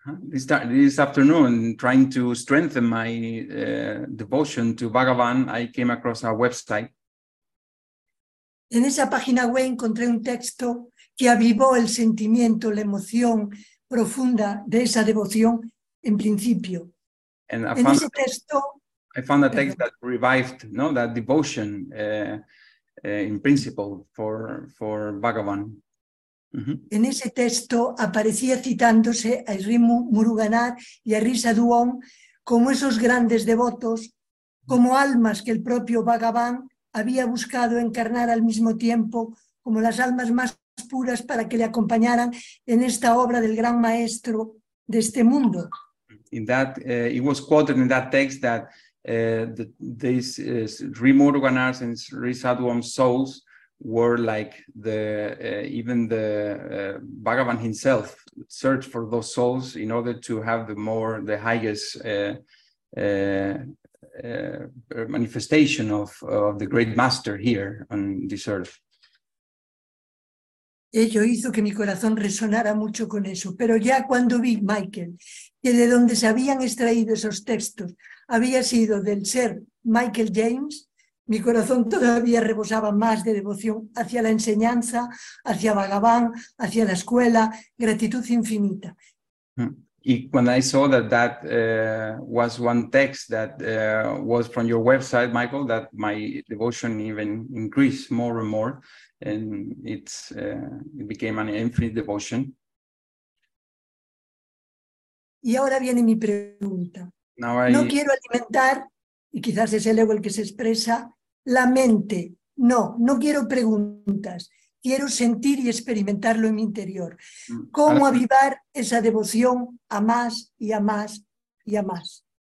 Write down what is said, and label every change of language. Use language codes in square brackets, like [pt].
[en] This afternoon, trying to strengthen my devotion to Bhagavan, I came across a website. [es] En esa página web encontré un texto que avivó el sentimiento, la emoción profunda de esa devoción en principio. [en] And [es] en ese texto, [en] I found a text that revived, no, that devotion in principle for Bhagavan. [es] En ese texto aparecía citándose a Srimu Muruganath y a Risa Duong como esos grandes devotos, como almas que el propio Bhagavan había buscado encarnar al mismo tiempo, como las almas más puras para que le acompañaran en esta obra del gran maestro de este mundo. [en] In that, it was quoted in that text that these Sri Muruganath and Sri Sadhuam's souls were like the even the Bhagavan himself searched for those souls in order to have the more the highest manifestation of the great master here on this earth. [es] Ello hizo que mi corazón resonara mucho con eso, pero ya cuando vi, Michael, que de donde se habían extraído esos textos había sido del ser Michael James, mi corazón todavía rebosaba más de devoción hacia la enseñanza, hacia Bhagavan, hacia la escuela, gratitud infinita. Y cuando [en] I saw that that was one text that was from your website, Michael, that my devotion even increased more and more, and it's it became an infinite devotion. [es] Y ahora viene mi pregunta. [en] Now [es] no quiero alimentar, y quizás es el ego el que se expresa, la mente. No, no quiero preguntas. Quiero sentir y experimentarlo en mi interior. ¿Cómo avivar esa devoción a más y a más y a más?